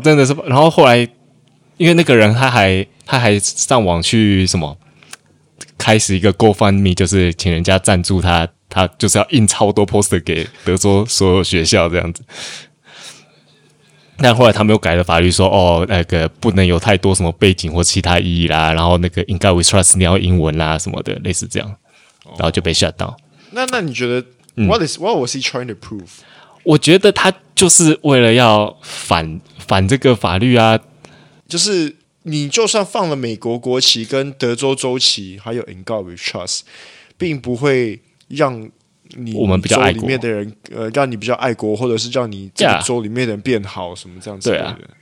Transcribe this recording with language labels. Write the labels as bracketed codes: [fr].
[zh] 真的是，然后后来，因为那个人他还上网去什么，开始一个 GoFundMe， 就是请人家赞助他就是要印超多 poster 给德州所有学校这样子。但后来他们又改了法律说，说哦，那个不能有太多什么背景或其他意义啦，然后那个 In God We Trust 你要英文啦什么的，类似这样，然后就被 shut down。 [en] 那你觉得、 What was he trying to prove？ [zh] 我觉得他就是为了要反这个法律啊，就是你就算放了美国国旗跟德州州旗，还有 In God We Trust， 并不会让你我们比较爱国里面的人，让你比较爱国，或者是让你这个州里面的人变好什么这样子的。